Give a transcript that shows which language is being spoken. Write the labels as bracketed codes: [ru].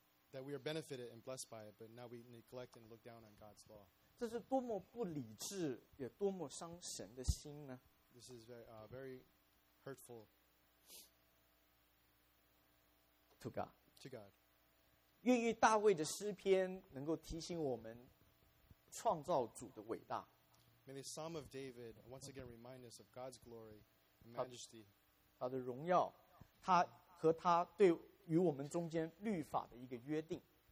[en] that we are benefited and blessed by it but now we neglect and look down on God's law [zh] 这是多么不理智，也多么伤神的心呢 [en] ？This is very, very hurtful to God. To God. [zh] 愿意大卫的诗篇能够提醒我们创造主的伟大。 [en] May the Psalm of David once again remind us of God's glory and majesty. [zh] 他的荣耀，他和他对与我们中间律法的一个约定。